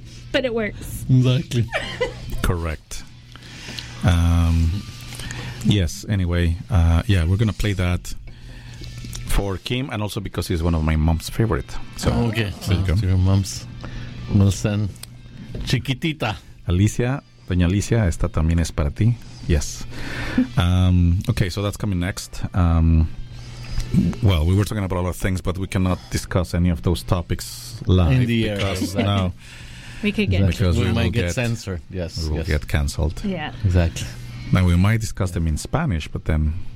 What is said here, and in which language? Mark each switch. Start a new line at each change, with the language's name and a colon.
English: But it works. Exactly. Correct. Yes, anyway. We're going to play that. For Kim, and also because he's one of my mom's favorite. So, okay, so to your mom's. We'll send Chiquitita.
Spanish: Alicia, Doña Alicia, esta también es para ti.
English: Yes. Okay, so that's coming next. We were talking about a lot of things, but we cannot discuss any of those topics live. In the air, exactly. No. We might get censored. We will get canceled. Yeah. Exactly. Now, we might discuss them in Spanish, but then...